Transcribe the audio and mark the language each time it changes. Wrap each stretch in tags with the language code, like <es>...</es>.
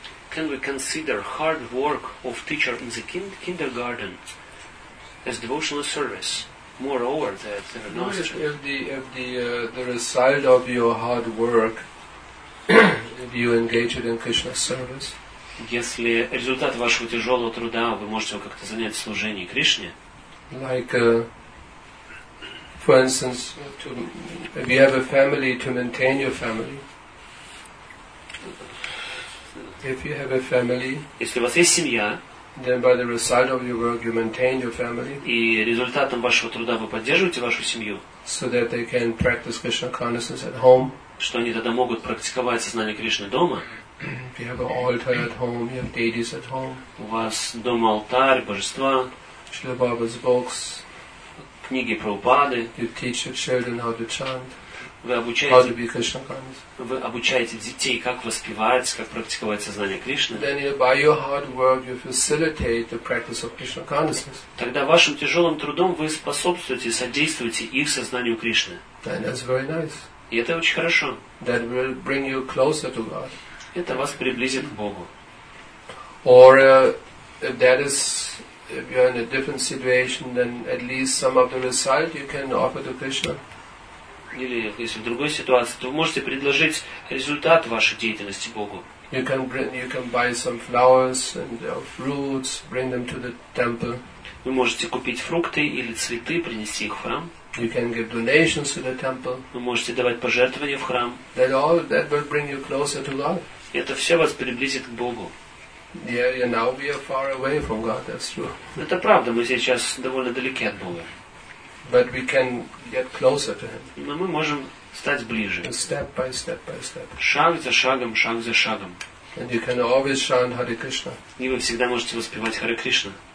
<en>Can we consider hard work of teacher in the kindergarten as devotional service? Moreover, if the result of your hard work, if you engage it in Krishna service.</en> <ru>Если результат вашего тяжелого труда, вы можете его как-то занять в служении Кришне.</ru> <en>Like, for instance, if you have a family to maintain your family. If you have a family.</en> <ru>Если у вас есть семья.</ru> <en>Then by the result of your work, you maintain your family.</en> <ru>И результатом вашего труда вы поддерживаете вашу семью.</ru> <en>So that they can practice Krishna consciousness at home.</en> <ru>Что они тогда могут практиковать сознание Кришны дома.</ru> <en>You have an altar at home. You have deities at home.</en> <ru>У вас дома алтарь, божества.</ru> <en>Shri Baba's books.</en> <ru>Книги Прабхупады.</ru> <en>You teach your children how to chant.</en> <ru>Вы обучаете, детей, как воспевать, как практиковать сознание Кришны.</ru> <en>Then by your hard work you facilitate the practice of Krishna consciousness.</en> <ru>Тогда вашим тяжелым трудом вы способствуете, содействуете их сознанию Кришны.</ru> <en>Then that's very nice.</en> <ru>И это очень хорошо.</ru> <en>That will bring you closer to God.</en> <ru>Это вас приблизит к Богу.</ru> <en>Or if that is if you're in a different situation, then at least some of the result you can offer to Krishna.</en> <ru>Или если в другой ситуации, то вы можете предложить результат вашей деятельности Богу. Вы можете купить фрукты или цветы, принести их в храм.</ru> <en>You can give donations to the temple.</en> <ru>Вы можете давать пожертвования в храм.</ru> <en>That will bring you closer to God.</en> <ru>Это все вас приблизит к Богу.</ru> <en>Yeah, now we are far away from God, that's true.</en> <ru>Это правда, мы сейчас довольно далеки от Бога.</ru> <en>But we can get closer to him.</en> <ru>Но мы можем стать ближе.</ru> <en>Step by step by step.</en> <ru>Шаг за шагом, шаг за шагом.</ru> <en>And you can always chant Hare Krishna.</en> <ru>И вы всегда можете воспевать Харе Кришна.</ru>